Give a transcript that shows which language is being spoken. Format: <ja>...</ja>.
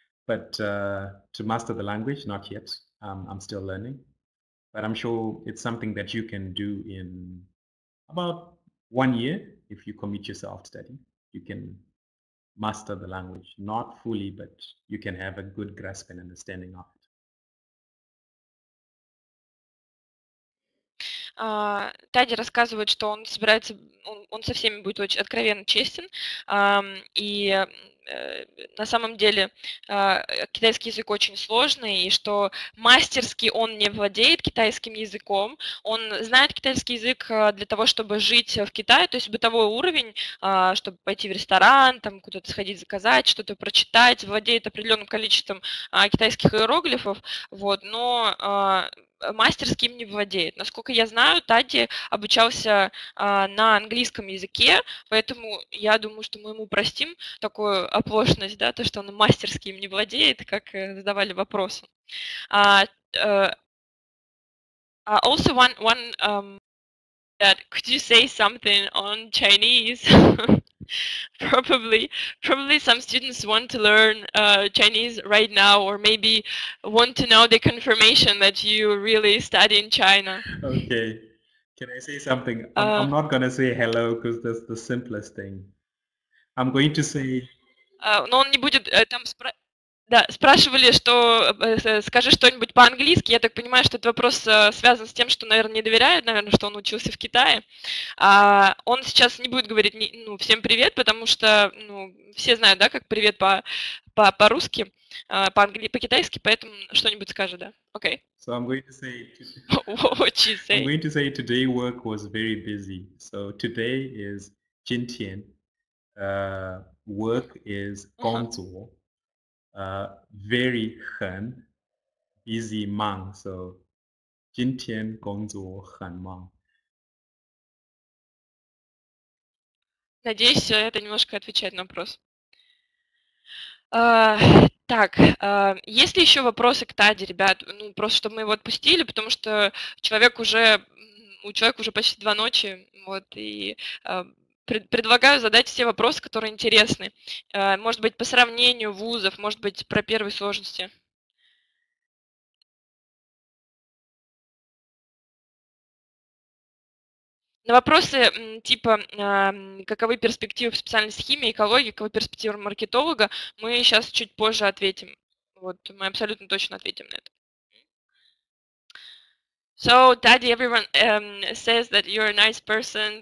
<en>But to master the language, not yet. I'm still learning. But I'm sure it's something that you can do in about 1 year if you commit yourself to study. You can master the language, not fully, but you can have a good grasp and understanding of it.</en> <ru>Тадди рассказывает, что он собирается, он со всеми будет очень откровенно честен, и на самом деле китайский язык очень сложный, и что мастерски он не владеет китайским языком, он знает китайский язык для того, чтобы жить в Китае, то есть бытовой уровень, чтобы пойти в ресторан, там куда-то сходить заказать, что-то прочитать, владеет определенным количеством китайских иероглифов, вот, но... мастерски им не владеет. Насколько я знаю, Тадди обучался на английском языке, поэтому я думаю, что мы ему простим такую оплошность, да, то, что он мастерски им не владеет, как задавали вопросы.</ru> <en>Also one that could you say something on Chinese? Probably some students want to learn Chinese right now, or maybe want to know the confirmation that you really study in China. Okay, can I say something? I'm not gonna say hello because that's the simplest thing. I'm going to say.</en> <ru>Но он не будет там да, спрашивали, что скажи что-нибудь по-английски. Я так понимаю, что этот вопрос связан с тем, что, наверное, не доверяют, наверное, что он учился в Китае. Он сейчас не будет говорить ну, всем привет, потому что ну, все знают, да, как привет по-русски, по-китайски, поэтому что-нибудь скажет, да. Окей.</ru> <en>Okay. So I'm going to say what you say. I'm going to say today work was very busy. So today is Jintian. Work is Gongzuo. Very hen busy mang. So</en> <zh>Jintian Gongzuo Han Mang.</zh> <ru>Надеюсь, это немножко отвечает на вопрос. Так, есть ли еще вопросы к Тадди, ребят? Ну, просто чтобы мы его отпустили, потому что у человека уже почти два ночи, вот, и предлагаю задать все вопросы, которые интересны. Может быть, по сравнению вузов, может быть, про первые сложности. На вопросы типа каковы перспективы в специальности химии, экологии, каковы перспективы маркетолога, мы сейчас чуть позже ответим. Вот, мы абсолютно точно ответим на это.</ru> <en>So, Daddy, everyone says that you're a nice person.</en>